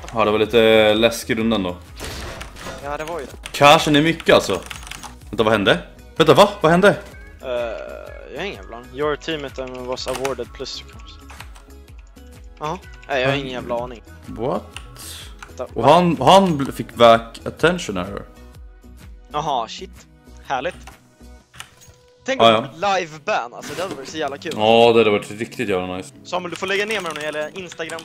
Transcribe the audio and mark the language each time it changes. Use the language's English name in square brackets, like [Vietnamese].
[Swedish] Ja, det var lite läskig rundan då. Ja, det var ju. Cashen är mycket alltså. Vänta, vad hände? Vänta, va? Vad hände? Jag har ingen jävla aning. [English] Your teammate was awarded plus recruits. [Swedish] Jaha. Nej, jag har ingen jävla aning. [English] What? [Swedish] Och han fick back attention här. Jaha, shit. Härligt. Tänk om live ban, alltså det hade varit så jävla kul. Ja, det hade varit riktigt jävla nice. Samuel, du får lägga ner mig när det gäller Instagram.